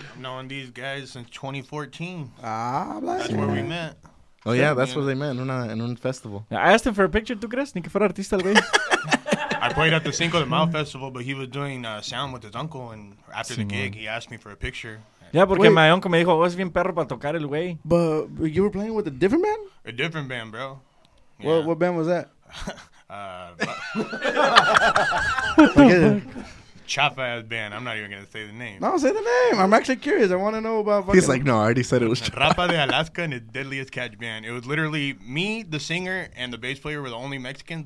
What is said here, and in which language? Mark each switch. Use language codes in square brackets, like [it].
[en] Knowing these guys since 2014. Bless that's where we met. Oh, yeah, that's what they meant, in a festival. I asked him for a picture, [es] ¿tú crees? Ni que fuera artista, güey. [en] I played at the Cinco de Mayo Festival, but he was doing sound with his uncle, and after the gig, he asked me for a picture. [es] Yeah, porque [en] wait. My uncle [es] me dijo, oh, es bien perro para tocar el güey. [en] But you were playing with a different band? A different band, bro. Yeah. What band was that? Chapa's band. I'm not even going to say the name. No, say the name. I'm actually curious. I want to know about fucking... He's like, no, I already said it was Rapa de Alaska and his deadliest catch band. It was literally me, the singer, and the bass player were the only Mexicans.